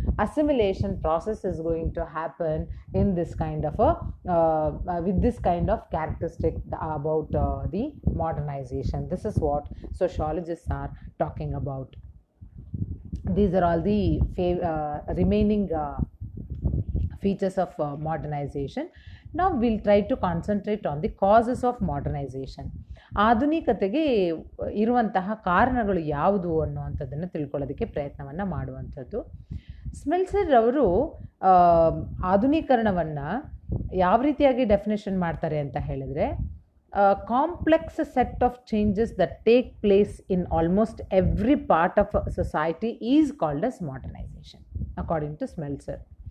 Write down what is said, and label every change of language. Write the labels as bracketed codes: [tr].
[en] Assimilation process is going to happen in this kind of with this kind of characteristic about the modernization. This is what sociologist are talking about. These are all the remaining features of modernization. Now we'll try to concentrate on the causes of modernization. [kn] ಆಧುನಿಕತೆಗೆ ಇರುವಂತಹ ಕಾರಣಗಳು ಯಾವುದು ಅನ್ನುವಂಥದ್ದನ್ನು ತಿಳ್ಕೊಳ್ಳೋದಕ್ಕೆ ಪ್ರಯತ್ನವನ್ನು ಮಾಡುವಂಥದ್ದು. ಸ್ಮಿಲ್ಸರ್ ಅವರು ಆಧುನೀಕರಣವನ್ನು ಯಾವ ರೀತಿಯಾಗಿ ಡೆಫಿನೇಷನ್ ಮಾಡ್ತಾರೆ ಅಂತ ಹೇಳಿದರೆ, [en] Complex set of changes that take place in almost every part of society is called as modernization according to Smelser.